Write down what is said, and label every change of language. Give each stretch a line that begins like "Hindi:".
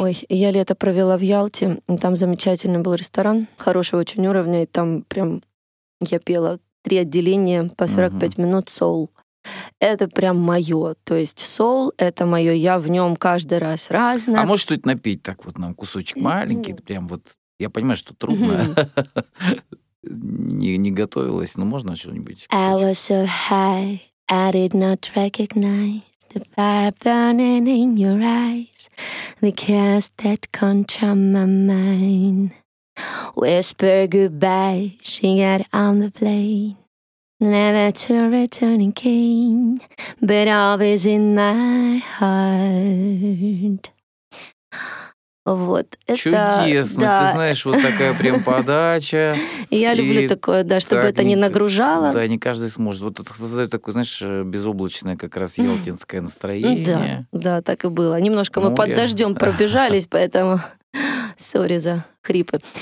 Russian: Ой, я лето провела в Ялте, и там замечательный был ресторан, хорошего очень уровня, и там прям я пела три отделения по 45 минут соул. Это прям мое, то есть соул, это мое, я в нем каждый раз разное. А можешь что-нибудь напеть так вот нам, кусочек маленький, прям вот, я понимаю, что трудно. не готовилась, но можно что-нибудь?
English: I was so high, I did not recognize the fire burning in your eyes, the chaos that controlled my mind. Whisper goodbye, she got on the plane, never to return again, but always in my heart.
Russian: Вот, чудесно, это, да. Ты знаешь, вот такая прям подача. Я люблю такое, да, чтобы это не нагружало. Да, не каждый сможет. Вот это создает такое, знаешь, безоблачное как раз ялтинское настроение. Да, да, так и было. Немножко мы под дождем пробежались, поэтому сори за хрипы.